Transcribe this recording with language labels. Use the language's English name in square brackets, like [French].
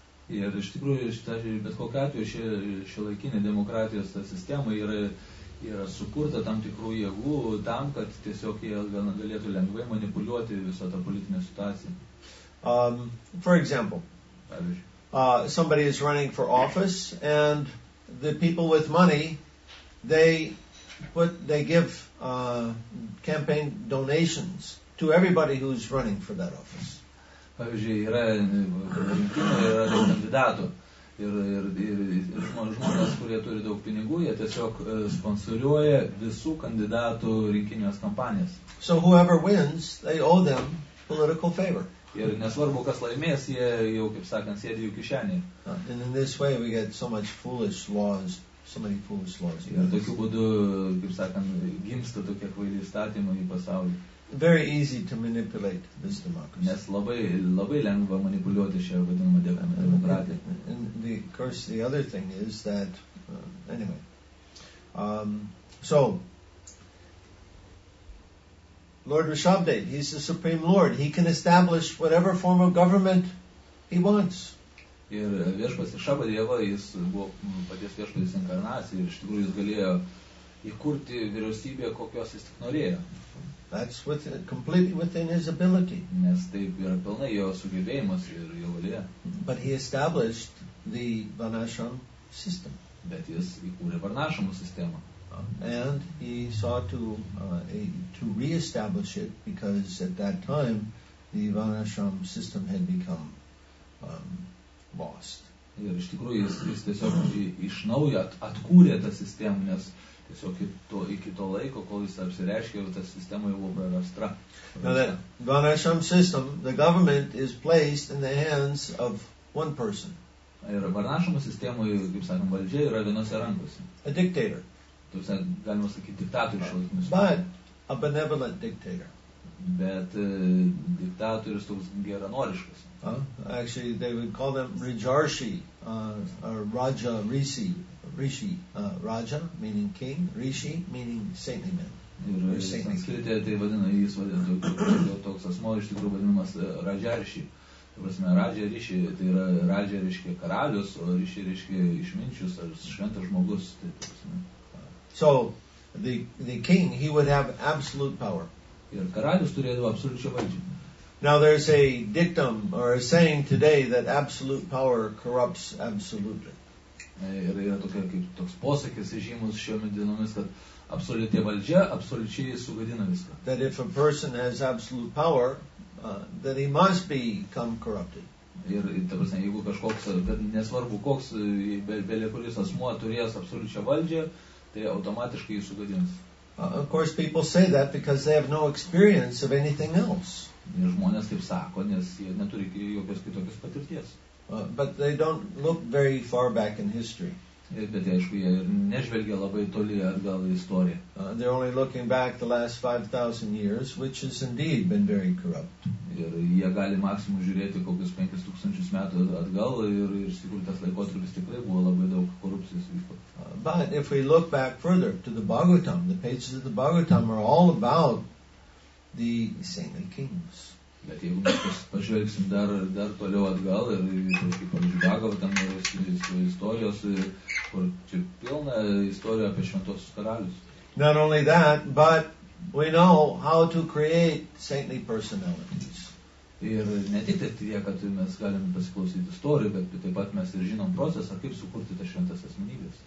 [Lithuanian] Ir iš tikrųjų, bet kokiu atveju ši laikinė demokratijos sistema yra sukurta tam tikrų jėgų tam, kad tiesiog jie galėtų lengvai manipuliuoti visą tą politinę situaciją. [English] For example, somebody is running for office and the people with money, they give campaign donations to everybody who's running for that office. [Lithuanian] Pavyzdžiui, yra kandidatų. Ir žmonės, kurie turi daug pinigų, jie tiesiog sponsoriuoja visų kandidatų rinkinės kampanijas. [English] So whoever wins, they owe them political favor. [Lithuanian] Ir nesvarbu, kas laimės, jie jau, kaip sakant, sėdi jų kišenėje. [English] And in this way we get so much foolish laws, so many foolish laws. [Lithuanian] Ir tokiu būdu, kaip sakant, gimsta tokie kvaili įstatymai į pasaulį. [English] Very easy to manipulate this democracy. [Lithuanian] Nes labai lengva manipuliuoti šią vadinamą demokratiją. [English] And the, of course, the other thing is that, anyway, so, Lord Rishabhdev, he's the Supreme Lord. He can establish whatever form of government he wants. [Lithuanian] Ir viešpas Rishabhdeva, jis buvo paties viešpas inkarnacija, ir iš tikrųjų jis galėjo įkurti vyriausybę, kokios jis tik norėjo. [English] That's within, completely within his ability. [Lithuanian] Nes tai yra pilnai jo sugebėjimas ir jo valia. [English] But he established the Varnashram system. [Lithuanian] Bet jis įkūrė Varnashramų sistemą. [English] And he sought to re-establish it because at that time the Varnashram system had become lost. [Lithuanian] Ir iš tikrųjų jis tiesiog iš naujo atkūrė tą sistemą, nes tiesiog iki to laiko, kol jis apsireiškė, jau ta sistema jau buvo prarasta. [English] Now that Varnasram system, the government is placed in the hands of one person. [Lithuanian] Ir Varnasramo sistemoje, kaip sakom, valdžia yra vienose rankose. [English] A dictator. [Lithuanian] Taip sakant, galima sakyti, diktatorius šiuolaikinis. [English] But a benevolent dictator. [Lithuanian] Bet diktatorius toks geranoriškas. [English] Actually, they would call them Rijarshi, or Raja Rishi. Rishi, Raja, meaning king. Rishi, meaning saintly man. [Lithuanian] Ir sanskritėje tai vadina, jis vadina toks asmo, iš tikrųjų vadinamas Raja Rishi. Tai prasme, Raja Rishi, tai yra Raja reiškia karalius, o Rishi reiškia išminčius, ar šventas žmogus. Tai, [English] so, the king, he would have absolute power. [Lithuanian] Ir karalius turėdavo absoliučią valdžią. [English] Now there's a dictum or a saying today that absolute power corrupts absolutely. [Lithuanian] Yra tokia kaip toks posakis žymus šiomis dienomis, kad absoliuti valdžia absoliučiai sugadina viską. [English] That if a person has absolute power, then he must become corrupted. [Lithuanian] Ir ta prasme, jeigu kažkoks, nesvarbu koks, belekuris asmuo turės absoliučią valdžią, tai automatiškai jį sugadins. [English] Of course, people say that because they have no experience of anything else. [Lithuanian] Ir žmonės taip sako, nes jie neturi jokios kitokios patirties. [English] But they don't look very far back in history. [Lithuanian] Bet aišku, jie ir nežvelgia labai toli atgal į istoriją. [English] They're only looking back the last 5,000 years, which has indeed been very corrupt. [Lithuanian] Ir jie gali maksimum žiūrėti kokius 5,000 metų atgal ir iš tikrųjų tas laikotarpis tikrai buvo labai daug korupcijos. [English] But if we look back further to the Bhagavatam, the pages of the Bhagavatam are all about the saintly kings. [Lithuanian] Bet jeigu mes pažvelgsim dar toliau atgal ir pavyzdžiui Bhagavatam istorijos, kur čia pilna istorija apie šventosius karalius. [English] Not only that, but we know how to create saintly personalities. [Lithuanian] Ir ne tik tie, kad mes galim pasiklausyti istoriją, bet taip pat mes ir žinom procesą, kaip sukurti tas šventas asmenybės.